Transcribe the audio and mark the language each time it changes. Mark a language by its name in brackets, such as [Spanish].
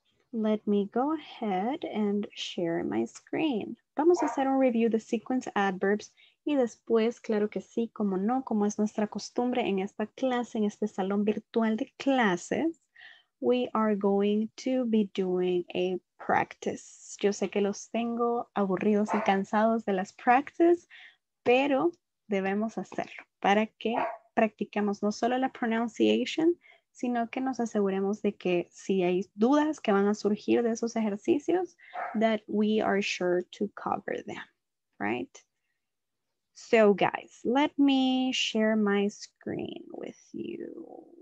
[English] Let me go ahead and share my screen. [Spanish] Vamos a hacer un review de sequence adverbs y después, claro que sí, como no, como es nuestra costumbre en esta clase, en este salón virtual de clases, [English] we are going to be doing a practice. [Spanish] Yo sé que los tengo aburridos y cansados de las practices, pero debemos hacerlo para que practiquemos no solo la pronunciation, sino que nos aseguremos de que si hay dudas que van a surgir de esos ejercicios, [English] that we are sure to cover them, right? So guys, let me share my screen with you.